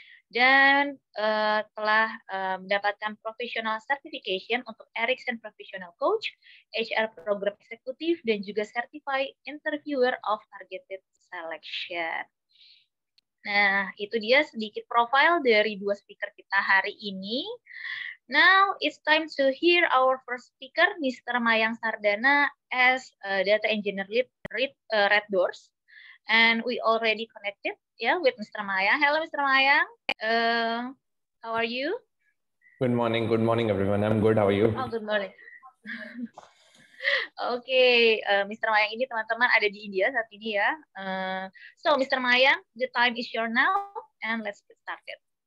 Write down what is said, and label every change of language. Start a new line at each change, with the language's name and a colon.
Indonesian: Dan telah mendapatkan professional certification untuk Ericsson Professional Coach, HR Program Executive, dan juga Certified Interviewer of Targeted Selection. Nah, itu dia sedikit profile dari dua speaker kita hari ini.
English: Now, it's time to hear our first speaker, Mr. Mayang Sardana, as Data Engineer Lead Red Doors. And we already connected with Mr. Mayang. Hello, Mr. Mayang. How are you? Good morning. Good morning, everyone. I'm good. How are you? Oh, good morning. Okay, Mr.
Indonesian: Mayang ini teman-teman ada di India saat ini ya.
English: So, Mr. Mayang, the time is your now, and let's get started.